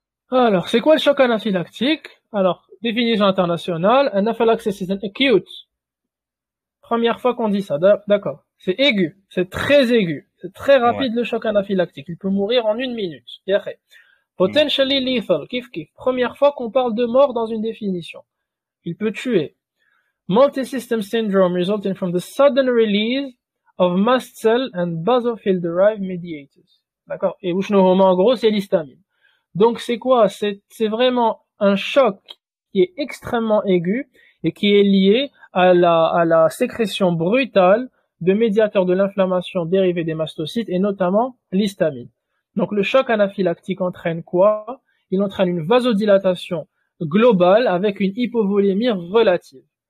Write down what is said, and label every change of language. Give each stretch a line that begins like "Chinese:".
French: Alors, c'est quoi le choc anaphylactique? Alors, définition internationale,
English: anaphylaxis is an acute.
French: Première fois qu'on dit ça, d'accord. C'est aigu, c'est très aigu, c'est très rapide le choc anaphylactique. Il peut mourir en une minute.
English: Potentially lethal,
French: kif. Première fois qu'on parle de mort dans une définition. Il peut tuer.
English: Multisystem syndrome resulting from the sudden release of mast cell and basophil derived mediators.
French: D'accord. Et où en gros, c'est l'histamine. Donc, c'est quoi? C'est vraiment un choc qui est extrêmement aigu et qui est lié à la sécrétion brutale de médiateurs de l'inflammation dérivés des mastocytes et notamment l'histamine. Donc, le choc anaphylactique entraîne quoi? Il entraîne une vasodilatation globale avec une hypovolémie relative.